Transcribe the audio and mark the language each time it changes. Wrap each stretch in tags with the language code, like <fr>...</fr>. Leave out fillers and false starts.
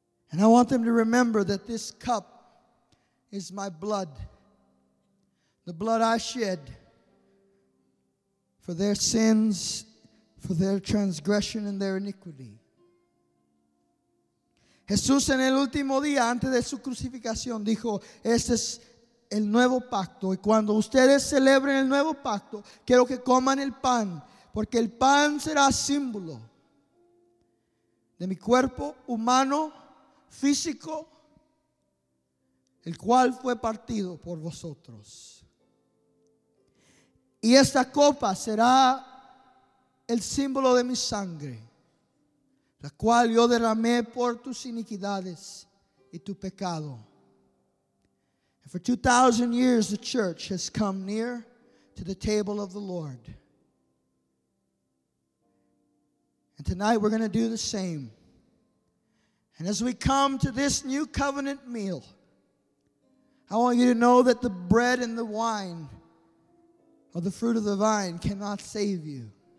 <en>And I want them to remember that this cup is my blood, the blood I shed for their sins, for their transgression and their iniquity.</en> <es>Jesús en el último día antes de su crucificación dijo, este es el nuevo pacto. Y cuando ustedes celebren el nuevo pacto, quiero que coman el pan, porque el pan será símbolo de mi cuerpo humano, físico, el cual fue partido por vosotros. Y esta copa será el símbolo de mi sangre, la cual yo derramé por tus iniquidades y tu pecado.</es> <en>And for 2,000 years, the church has come near to the table of the Lord. And tonight we're going to do the same. And as we come to this new covenant meal, I want you to know that the bread and the wine or the fruit of the vine cannot save you.</en>